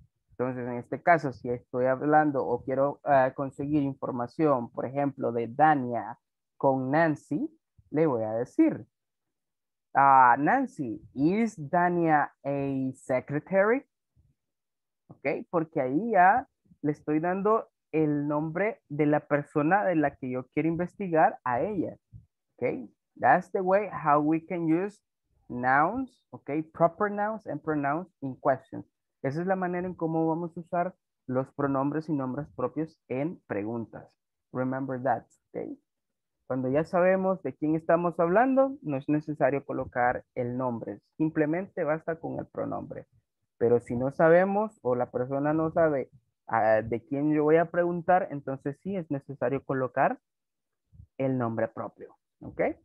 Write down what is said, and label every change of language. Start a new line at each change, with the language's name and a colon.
Spanish: Entonces, en este caso, si estoy hablando o quiero conseguir información, por ejemplo, de Dania con Nancy, le voy a decir, Nancy,
English: ¿is Dania a secretary?
Spanish: Okay, porque ahí ya le estoy dando el nombre de la persona de la que yo quiero investigar a ella.
English: Okay, that's the way how we can use nouns, okay, proper nouns and pronouns in questions.
Spanish: Esa es la manera en cómo vamos a usar los pronombres y nombres propios en preguntas.
English: Remember that,
Spanish: okay? Cuando ya sabemos de quién estamos hablando, no es necesario colocar el nombre, simplemente basta con el pronombre. Pero si no sabemos o la persona no sabe de quién yo voy a preguntar, entonces sí es necesario colocar el nombre propio, ¿ok?